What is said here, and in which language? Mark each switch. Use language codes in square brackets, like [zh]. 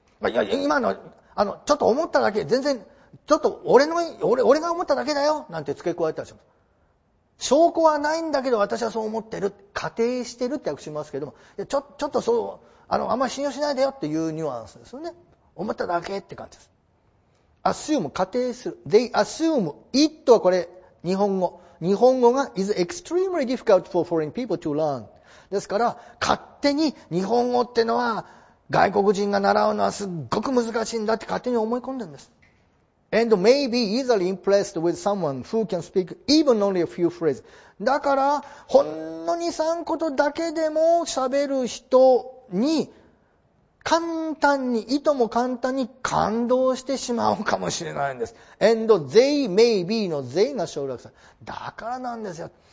[ja] いや今のちょっと思っただけ、全然ちょっと俺が思っただけだよなんて付け加えたりします。証拠はないんだけど私はそう思ってる、仮定してるって訳しますけども、ちょっとそう、あんまり信用しないでよっていうニュアンスですよね。思っただけって感じです。 assume 仮定する。 [en] they assume it [ja] はこれ日本語が [en] is extremely difficult for foreign people to learn。 [ja] ですから勝手に日本語ってのは外国人が習うのはすっごく難しいんだって勝手に思い込んでるんです。 [en] and may be easily impressed with someone who can speak even only a few phrases。 [ja] だからほんの 2,3 ことだけでも喋る人に簡単に、いとも簡単に感動してしまうかもしれないんです。 [en] And they may be [ja] の they が省略される。だからなんですよ。